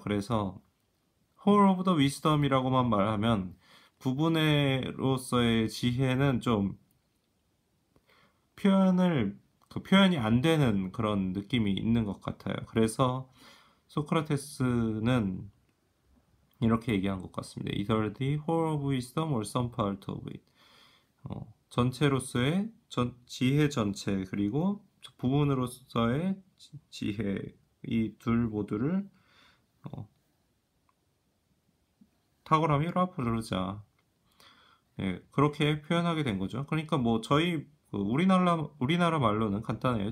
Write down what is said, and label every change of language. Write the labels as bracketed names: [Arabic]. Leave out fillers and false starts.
[Korean] 그래서 [English] whole of the wisdom [Korean] 이라고만 말하면 부분으로서의 지혜는 좀 표현이 안 되는 그런 느낌이 있는 것 같아요. 그래서 소크라테스는 이렇게 얘기한 것 같습니다. [English] Either the whole of wisdom or some part of it. [Korean] 전체로서의 지혜 전체 그리고 부분으로서의 지혜 이둘 모두를 탁월함이 라 부르자. 예, 그렇게 표현하게 된 거죠. 그러니까 뭐 저희 우리나라 말로는 간단해요.